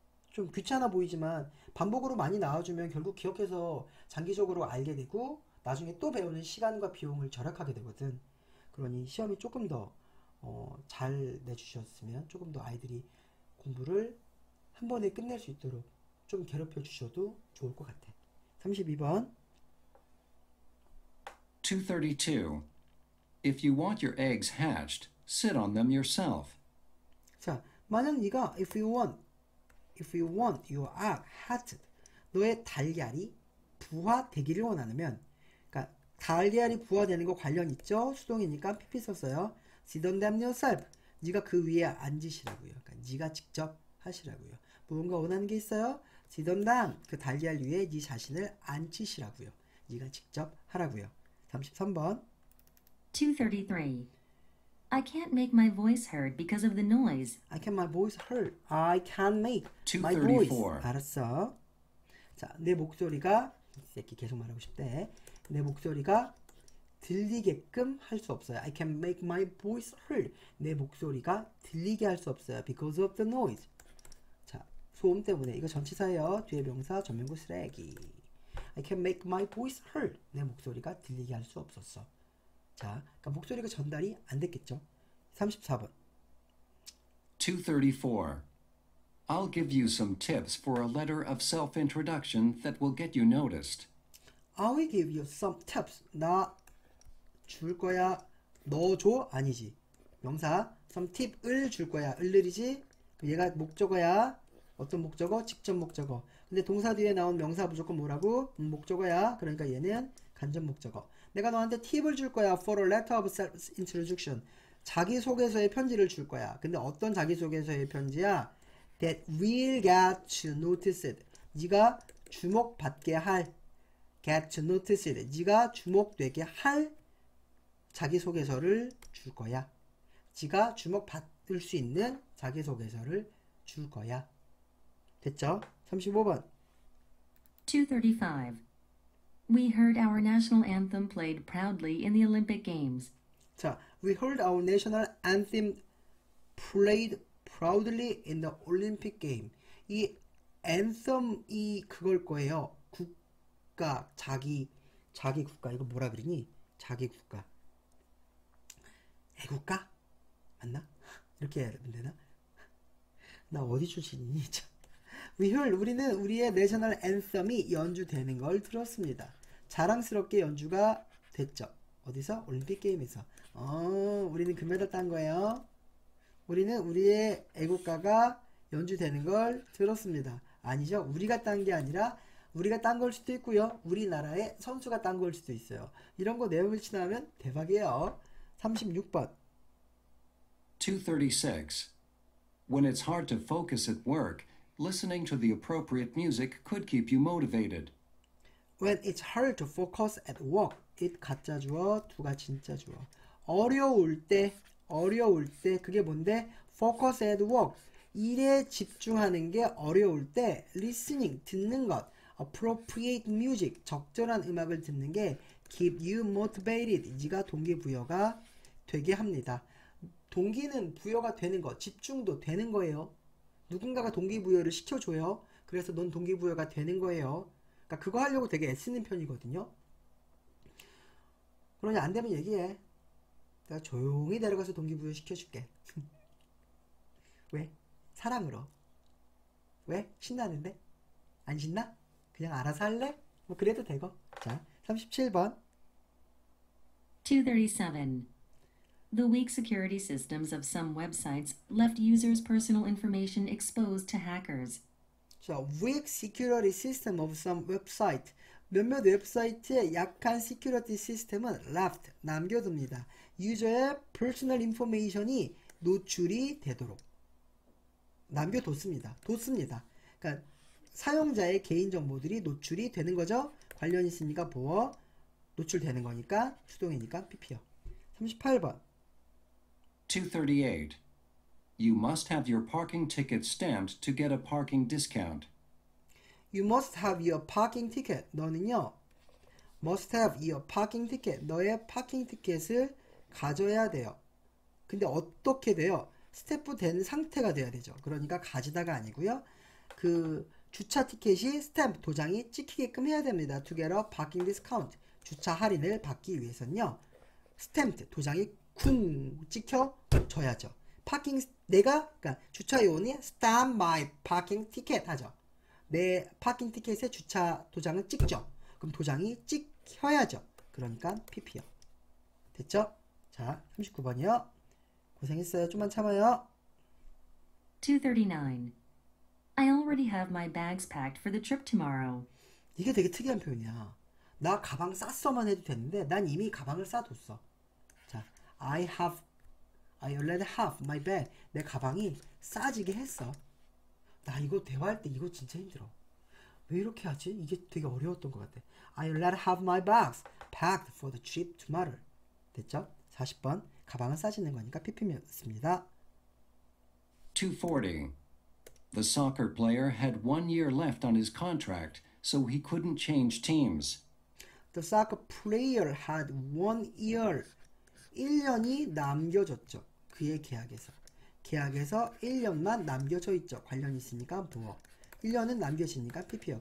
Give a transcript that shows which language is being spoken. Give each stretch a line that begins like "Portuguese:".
Korean: 좀 귀찮아 보이지만 반복으로 많이 나와주면 결국 기억해서 장기적으로 알게 되고 나중에 또 배우는 시간과 비용을 절약하게 되거든. 그러니 시험이 조금 더, 잘 내주셨으면 조금 더 아이들이 공부를 한 번에 끝낼 수 있도록 좀 괴롭혀 주셔도 좋을 것 같아. 32번. 2:32.
English: If you want your eggs hatched, sit on them yourself.
Korean: 자, 만약 네가
English: if you want your egg hatched,
Korean: 너의 달걀이 부화되기를 원하면, 그러니까 달걀이 부화되는 거 관련 있죠? 수동이니까 PP 썼어요.
English: Sit on them yourself.
Korean: 네가 그 위에 앉으시라고요. 그러니까 네가 직접 하시라고요. 무언가 원하는 게 있어요? Sit on them. 그 달걀 위에 네 자신을 앉히시라고요. 네가 직접 하라고요. 33번. 2:33.
English: I can't make my voice heard because of the noise. I can't make my voice heard. I can't make my voice.
Korean: 2:34. 알았어. 자, 내 목소리가, 이 새끼 계속 말하고 싶대. 내 목소리가 들리게끔 할수 없어요.
English: I can make my voice heard.
Korean: 내 목소리가 들리게 할수 없어요.
English: Because of the noise.
Korean: 자, 소음 때문에. 이거 전치사예요. 뒤에 명사, 전명구 쓰레기.
English: I can make my voice heard.
Korean: 내 목소리가 들리게 할수 없었어. 자, 그러니까 목소리가 전달이 안 됐겠죠? 34번. 2:34.
English: I'll give you some tips for a letter of self-introduction that will get you noticed. I'll give you some tips.
Korean: 나줄 거야. 너 줘? 아니지. 명사. Some tip을 줄 거야. 을들이지? 얘가 목적어야. 어떤 목적어? 직접 목적어. 근데 동사 뒤에 나온 명사 무조건 뭐라고? 목적어야. 그러니까 얘는 간접 목적어. 내가 너한테 팁을 줄 거야.
English: For a letter of self introduction.
Korean: 자기소개서의 편지를 줄 거야. 근데 어떤 자기소개서의 편지야?
English: That will get you noticed.
Korean: 네가 주목받게 할.
English: Get you noticed.
Korean: 네가 주목되게 할 자기소개서를 줄 거야. 네가 주목받을 수 있는 자기소개서를 줄 거야. 됐죠? 35번. 235.
English: We heard our national anthem played proudly in the Olympic Games. 자, we heard our national anthem played proudly in the Olympic game.
Korean: 이 anthem이 그걸 거예요. 국가, 자기 국가. 이거 뭐라 그러니? 자기 국가. 애국가? 맞나? 이렇게 해야 되나? 나 어디 출신이니?
English: We heard,
Korean: 우리는 우리의 national anthem이 연주되는 걸 들었습니다. 자랑스럽게 연주가 됐죠. 어디서? 올림픽 게임에서. 어, 우리는 금메달 딴 거예요. 우리는 우리의 애국가가 연주되는 걸 들었습니다. 아니죠. 우리가 딴 게 아니라 우리가 딴 걸 수도 있고요. 우리나라의 선수가 딴 걸 수도 있어요. 이런 거 내용을 지나면 대박이에요. 36번. 236.
English: When it's hard to focus at work, listening to the appropriate music could keep you motivated. When it's hard to focus at work, it
Korean: 가짜 주어, 두가 진짜 주어. 어려울 때, 그게 뭔데?
English: Focus at work,
Korean: 일에 집중하는 게 어려울 때, listening, 듣는 것, appropriate music, 적절한 음악을 듣는 게
English: keep you motivated,
Korean: 네가 동기부여가 되게 합니다. 동기는 부여가 되는 것, 집중도 되는 거예요. 누군가가 동기부여를 시켜줘요. 그래서 넌 동기부여가 되는 거예요. 그거 하려고 되게 애쓰는 편이거든요. 그러냐, 안 되면 얘기해. 내가 조용히 데려가서 동기부여 시켜줄게. 왜? 사랑으로. 왜? 신나는데? 안 신나? 그냥 알아서 할래? 뭐 그래도 되고. 자, 37번. 237.
English: The weak security systems of some websites left users' personal information exposed to hackers. So, weak security system of some website.
Korean: 몇몇 웹사이트의 약한 security system은 left, 남겨둡니다. user의 personal information이 노출이 되도록. 남겨뒀습니다. 그러니까 사용자의 개인정보들이 노출이 되는 거죠. 관련 있으니까 보어, 노출되는 거니까, 수동이니까 PP요. 38번. 238.
English: You must have your parking ticket stamped to get a parking discount. You must have your parking ticket.
Korean: 너는요.
English: Must have your parking ticket.
Korean: 너의 parking ticket을 가져야 돼요. 근데 어떻게 돼요? 스태프 된 상태가 돼야 되죠. 그러니까 가지다가 아니고요. 그 주차 티켓이 스탬프 도장이 찍히게끔 해야 됩니다.
English: To get a parking discount.
Korean: 주차 할인을 받기 위해서는요. 스탬프 도장이 쿵 찍혀줘야죠. 파킹 내가 그러니까 주차 요원이
English: stamp my parking ticket
Korean: 하죠. 내 파킹 티켓에 주차 도장을 찍죠. 그럼 도장이 찍혀야죠. 그러니까 PP요. 됐죠? 자, 39번이요. 고생했어요. 좀만 참아요.
English: 239. I already have my bags packed for the trip tomorrow.
Korean: 이게 되게 특이한 표현이야. 나 가방 쌌어만 해도 됐는데 난 이미 가방을 싸뒀어.
English: 자, I already have my bag.
Korean: 내 가방이 싸지게 했어. 나 이거 대화할 때 이거 진짜 힘들어. 왜 이렇게 하지? 이게 되게 어려웠던 것 같아.
English: I already have my bags packed for the trip tomorrow.
Korean: 됐죠? 40번. 가방은 싸지는 거니까 PP였습니다. 240.
English: The soccer player had 1 year left on his contract, so he couldn't change teams. The soccer player had 1 year.
Korean: 1년이 남겨졌죠. 그의 계약에서. 계약에서 1년만 남겨져 있죠. 관련이 있으니까 부어. 1년은 남겨지니까 PP요.